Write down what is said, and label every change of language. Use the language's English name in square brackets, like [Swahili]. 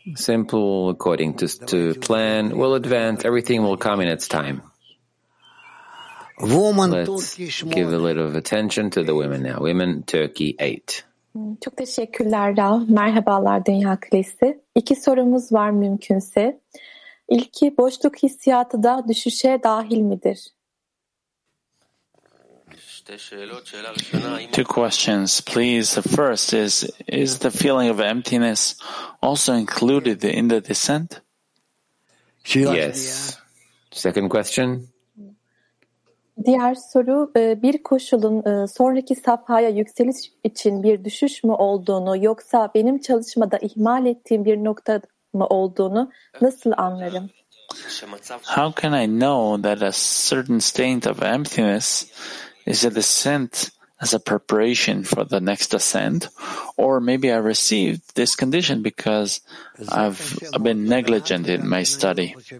[English] Simple, according to plan, will advance. Everything will come in its time. Let's give a little of attention to the women now. Women, Turkey 8. [Turkish] Çok teşekkürler Rav. Merhabalar Dünya Kulesi. İki sorumuz var mümkünse. İlki, boşluk hissiyatı da düşüşe dahil midir? [English] Two questions, please. The first is the feeling of emptiness also included in the descent? Yes. Second question. [Turkish] Diğer soru, bir koşulun sonraki safhaya yükseliş için bir düşüş mü olduğunu yoksa benim çalışmada ihmal ettiğim bir nokta mı olduğunu nasıl anlarım? [English] How can I know that a certain state of emptiness is a descent as a preparation for the next ascent? Or maybe I received this condition because I've been negligent in my study.